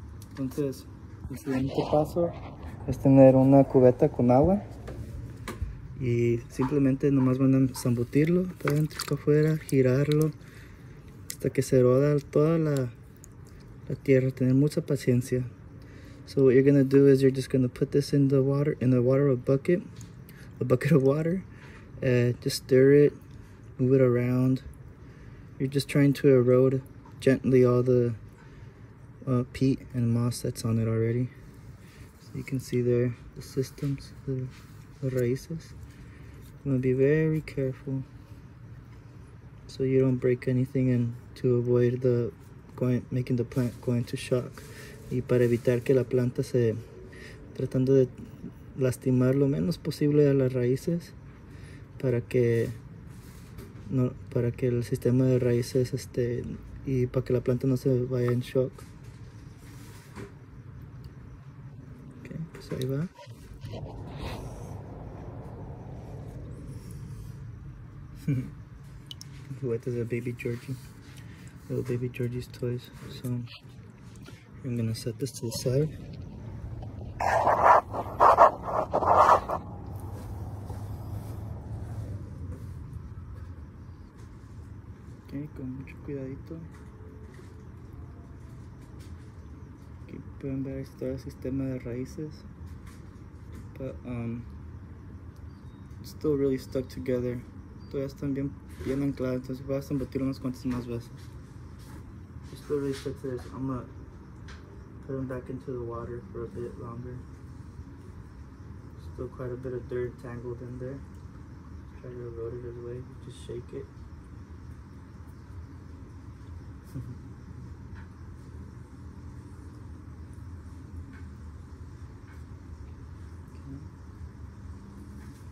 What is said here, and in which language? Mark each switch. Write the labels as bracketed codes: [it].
[es] Entonces, el siguiente paso es tener una cubeta con agua. Y simplemente nomás van a zambutirlo para adentro y para afuera, girarlo hasta que se roda toda la tierra. Tener mucha paciencia. [en] So what you're going to do is you're just going to put this in a bucket of water. Just stir it, move it around. You're just trying to erode gently all the peat and moss that's on it already. So you can see there the systems, the raíces. I'm gonna be very careful so you don't break anything and to avoid making the plant go into shock. [es] Y para evitar que la planta se tratando de lastimar lo menos posible a las raíces para que el sistema de raíces y para que la planta no se vaya en shock. Okay, pues ahí va. [en] What is a baby Georgie? Little baby Georgie's toys. So I'm gonna set this to the side. [es] Okay, con mucho cuidadito. Aquí pueden ver todo el sistema de raíces. [en] But it's still really stuck together. [es] Todavía están bien ancladas, entonces voy a zambutir unas cuantas más veces. [en] I'm still really stuck to this. I'm gonna put them back into the water for a bit longer. Still quite a bit of dirt tangled in there. Try to erode it away. Just shake it. Okay.